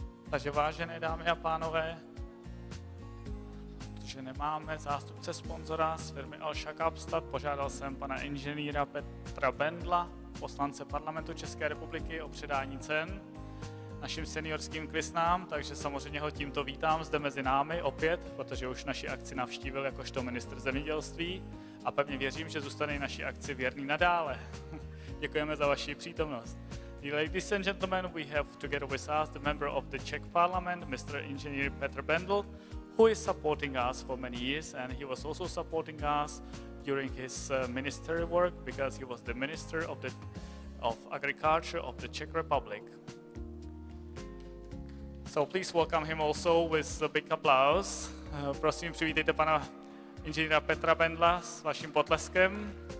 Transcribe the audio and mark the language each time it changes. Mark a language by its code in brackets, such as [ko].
[cs] Takže vážené dámy a pánové, protože nemáme zástupce sponzora z firmy Alša Kapstad, požádal jsem pana inženýra Petra Bendla, poslance parlamentu České republiky, o předání cen našim seniorským kvisnám, takže samozřejmě ho tímto vítám zde mezi námi opět, protože už naši akci navštívil jakožto ministr zemědělství a pevně věřím, že zůstane naší akci věrný nadále. Děkujeme za vaši přítomnost. [en] Ladies and gentlemen, we have together with us the member of the Czech Parliament, Mr. Engineer Petr Bendl, who is supporting us for many years, and he was also supporting us during his ministry work because he was the minister of agriculture of the Czech Republic. So please welcome him also with a big applause. [cs] Prosím, přivítejte pana inženýra Petra Bendla s vaším potleskem.